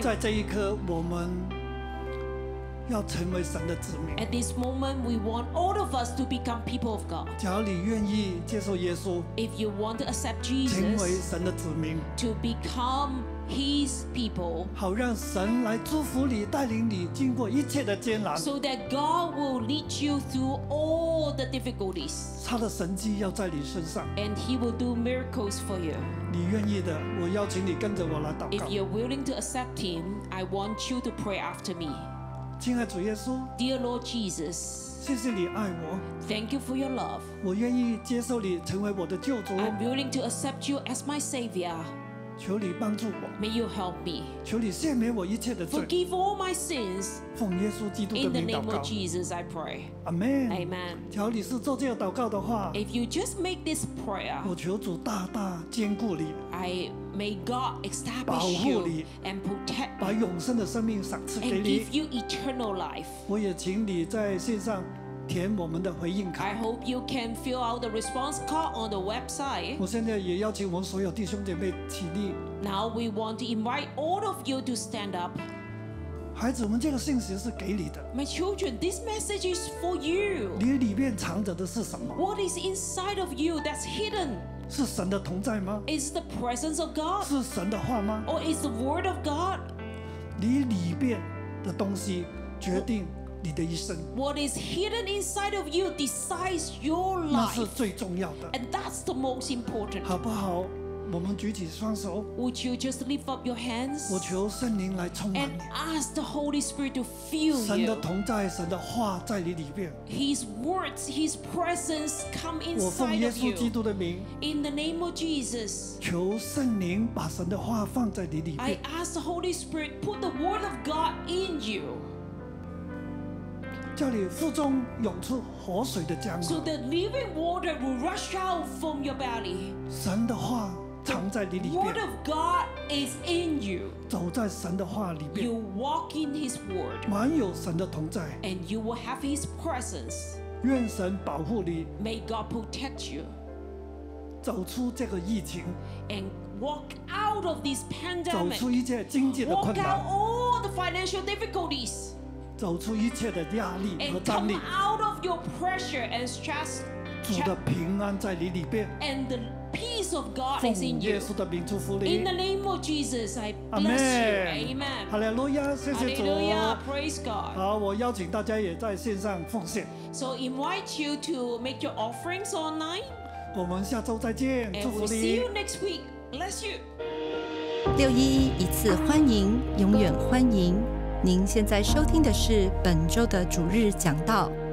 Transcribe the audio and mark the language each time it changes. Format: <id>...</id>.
<zh>在这一刻我们要成为神的子民。</zh> <en>At this moment, we want all of us to become people of God.</en> <zh>假如你愿意接受耶稣，</zh> <en>if you want to accept Jesus，</en> <zh>成为神的子民，</zh> <en>to become His people，</en> <zh>好让神来祝福你，带领你经过一切的艰难，</zh> <en>so that God will lead you through all the difficulties。</en> <zh>他的神迹要在你身上，</zh> <en>and He will do miracles for you。</en> <zh>你愿意的，我邀请你跟着我来祷告。</zh> <en>If you're willing to accept Him, I want you to pray after me。</en> <zh>亲爱主耶稣，</zh> <en>Dear Lord Jesus，</en> <zh>谢谢你爱我。</zh> <en>Thank you for your love。</en> <zh>我愿意接受你成为我的救主。</zh> <en>I'm willing to accept you as my savior。</en> <zh>求你帮助我。</zh> <en>May you help me。</en> <zh>求你赦免我一切的罪。</zh> <en>Forgive all my sins。</en> <zh>奉耶稣基督的名祷告。</zh> <en>In the name of Jesus, I pray。 Amen。 Amen。</en> <zh>假如你是做这个祷告的话，</zh> <en>If you just make this prayer，</en> <zh>我求主大大坚固你。</zh> <en>I may God establish you and protect，</en> <zh>把永生的生命赏赐给你。</zh> <en>And give you eternal life。</en> <zh>我也请你在线上填我们的回应卡。</zh> <en>I hope you can fill out the response card on the website。</en> <zh>我现在也邀请我们所有弟兄姐妹起立。</zh> <en>Now we want to invite all of you to stand up。</en> <zh>孩子，我们这个信息是给你的。</zh> <en>My children, this message is for you.</en> <zh>你里面藏着的是什么</zh> <en>？What is inside of you that's hidden？</en> <zh>是神的同在吗</zh> <en>？Is the presence of God？</en> <zh>是神的话吗</zh> <en>？Or is the word of God？</en> <zh>你里面的东西决定你的一生。</zh> <en>What is hidden inside of you decides your life。</en> <zh>那是最重要的。</zh> <en>And that's the most important。</en> <zh>好不好？我们举起双手。</zh> <en>Would you just lift up your hands？</en> <zh>我求圣灵来充满你。</zh> <en>And ask the Holy Spirit to fill you。</en> <zh>神的同在，神的话在你里面。</zh> <en>His words, His presence come inside of you。</en> <zh>我奉耶稣基督的名。</zh> <en>In the name of Jesus。</en> <zh>求圣灵把神的话放在你里面。</zh> <en>I ask the Holy Spirit put the word of God in you。</en> <zh>叫你腹中涌出活水的江河。</zh> <en>So the living water will rush out from your belly。</en> <zh>神的话。藏在你里面。</zh> <en>Word of God is in you。</en> <zh>走在神的话里面。</zh> <en>You walk in His word。</en> <zh>满有神的同在。</zh> <en>And you will have His presence。</en> <zh>愿神保护你。</zh> <en>May God protect you。</en> <zh>走出这个疫情。</zh> <en>And walk out of this pandemic。</en> <zh>走出一切经济的困难。</zh> <en>Walk out all the financial difficulties。</en> <zh>走出一切的压力和张力。</zh> <en>And come out of your pressure and stress。</en> <zh>主的平安在你里边。</zh> <en>And the peace of God is in you. In the name of Jesus, I bless Amen. you. Amen.</en> <zh>Hallelujah. 谢谢主。</zh> <en>Hallelujah. Praise God.</en> <zh>好，我邀请大家也在线上奉献。</zh> <en>So invite you to make your offerings online.</en> <zh>我们下周再见。</zh> <en>And we'll see you next week. Bless you.</en> <zh>六一一一次欢迎，永远欢迎。您现在收听的是本周的主日讲道。</zh>